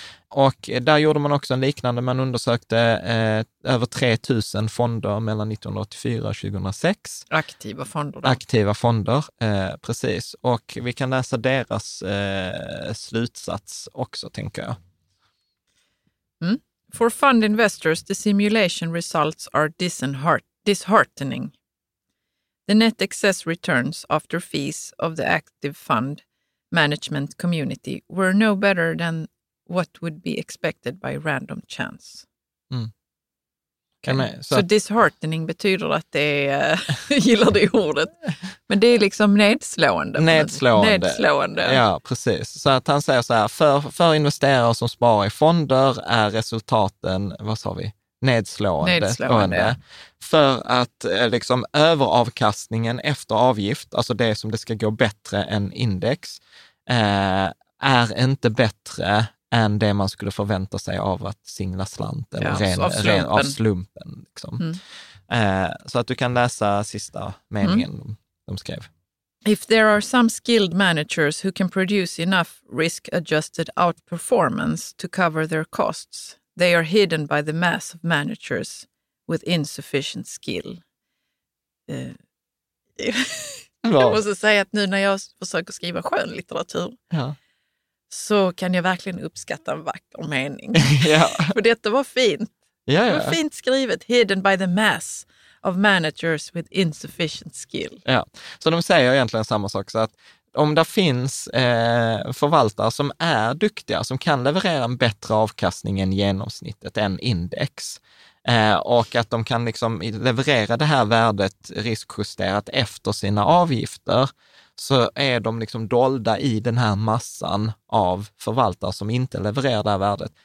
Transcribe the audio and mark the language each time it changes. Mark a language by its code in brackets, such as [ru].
[sv] Och där gjorde man också en liknande, man undersökte över 3000 fonder mellan 1984 och 2006. Aktiva fonder. Då. Aktiva fonder, precis. Och vi kan läsa deras slutsats också, tänker jag. Mm. [en] For fund investors, the simulation results are disheartening. The net excess returns after fees of the active fund management community were no better than what would be expected by random chance. Okay. [sv] Så so disheartening betyder att det är, gillar det ordet, men det är liksom nedslående. Ja, precis. Så att han säger så här, för investerare som sparar i fonder är resultaten, vad sa vi, nedslående. För att liksom överavkastningen efter avgift, alltså det som det ska gå bättre än index, är inte bättre än det man skulle förvänta sig av att singla slant eller av slumpen. Liksom. Mm. Så att du kan läsa sista meningen de skrev. [en] If there are some skilled managers who can produce enough risk-adjusted outperformance to cover their costs, they are hidden by the mass of managers with insufficient skill. [sv] Jag måste säga att nu när jag försöker skriva skönlitteratur, så kan jag verkligen uppskatta en vacker mening. För detta var fint. [en] Yeah. [sv] Det var fint skrivet. [en] Hidden by the mass of managers with insufficient skill. [sv] Ja. Så de säger egentligen samma sak. Så att om det finns förvaltare som är duktiga, som kan leverera en bättre avkastning än genomsnittet, än index, och att de kan liksom leverera det här värdet riskjusterat efter sina avgifter, så är de liksom dolda i den här massan av förvaltare som inte levererar det här värdet.